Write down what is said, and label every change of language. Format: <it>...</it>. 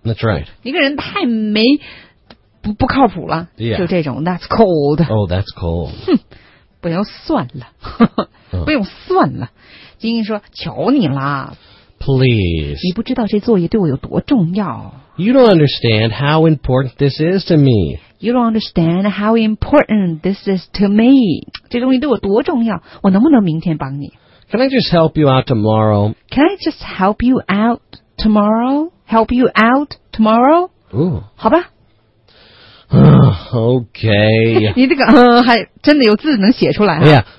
<en>That's right.</en> <zh>你个人太没不靠谱了。</zh> <en>Yeah.</en> <zh>就这种</zh> <en>,that's cold. Oh, that's cold.</en> <zh>哼，不用算了。不用算了。金英说求你了。</zh> <en>Please.</en> <zh>你不知道这作业对我有多重要。</zh> <en>You don't understand how important this is to me. You don't understand how important this is to me.</en> <zh>这东西对我多重要，我能不能明天帮你？</zh> <en>Can I just help you out tomorrow? Can I just help you out tomorrow? Help you out tomorrow? Ooh.</en> <zh>好吧。</zh> <en>Okay.</en> <zh>你这个还真的有字能写出来啊。</zh>